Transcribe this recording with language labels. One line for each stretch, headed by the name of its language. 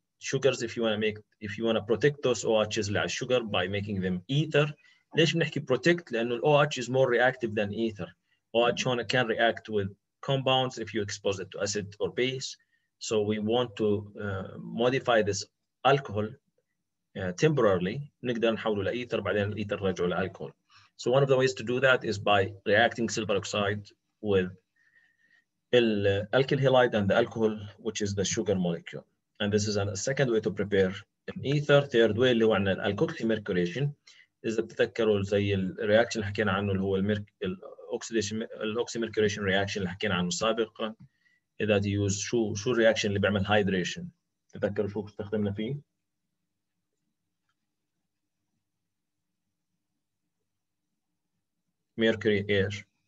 English: sugars if you want to make if you want to protect those OHs like sugar by making them ether
Arabic: ليش بنحكي
English: protect
Arabic: لانه
English: OH is more reactive than ether OH can react with compounds if you expose it to acid or base So we want to modify this alcohol temporarily.
Arabic: نقدر نحوله لإيثر بعدين الإيثر رجعه لألكهول.
English: So one of the ways to do that is by reacting silver oxide with the alkyl halide and the alcohol, which is the sugar molecule. And this is a second way to prepare an ether. Third way
Arabic: اللي هو عن الألكوكسي ميركوريشن. إذا بتتذكروا زي الرياكشن اللي حكينا عنه اللي هو الأوكسي ميركوريشن رياكشن اللي حكينا عنه سابقا. إذا تيوز شو الرياكشن اللي بعمل هايدريشن تذكروا شو استخدمنا فيه ميركوري إير